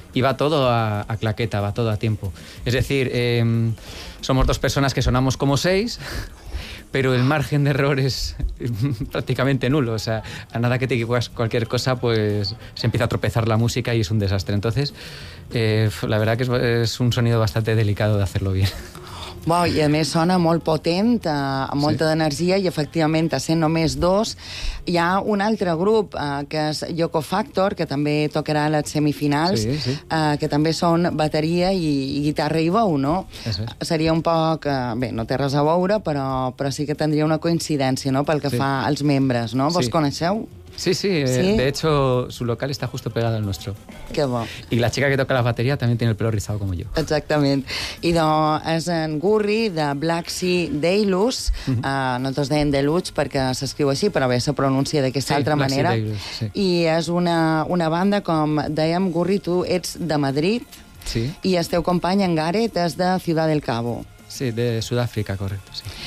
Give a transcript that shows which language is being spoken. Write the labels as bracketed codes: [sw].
[es] Y va todo a claqueta, va todo a tiempo. Es decir, somos dos personas que sonamos como seis, pero el margen de error es prácticamente nulo. O sea, a nada que te equivocas cualquier cosa, pues se empieza a tropezar la música y es un desastre. Entonces, la verdad que es un sonido bastante delicado de hacerlo bien. [ca] Wow, i a més sona molt potent, amb molta d'energia, i efectivament, sent només dos, hi ha un altre grup, que és Yoko Factor, que també tocarà a les semifinals, que també són bateria i guitarra i veu, no? Seria un poc... bé, no té res a veure, però sí que tindria una coincidència, no?, pel que fa als membres, no? Vos coneixeu? Sí. [es] De hecho, su local está justo pegado al nuestro. [ca] Qué bo. [es] Y la chica que toca la batería también tiene el pelo rizado como yo. [ca] Exactament. I és en Gurri, de Black Sea Deluge. Nosaltres deien Deluge perquè s'escriu així, però bé, se pronuncia d'aquesta altra manera. Sí, Black Sea Deluge, sí. I és una banda, com dèiem, Gurri, tu ets de Madrid. Sí. I el teu company, en Gareth, és de Ciudad del Cabo. Sí, de Sud-àfrica, correcte, sí.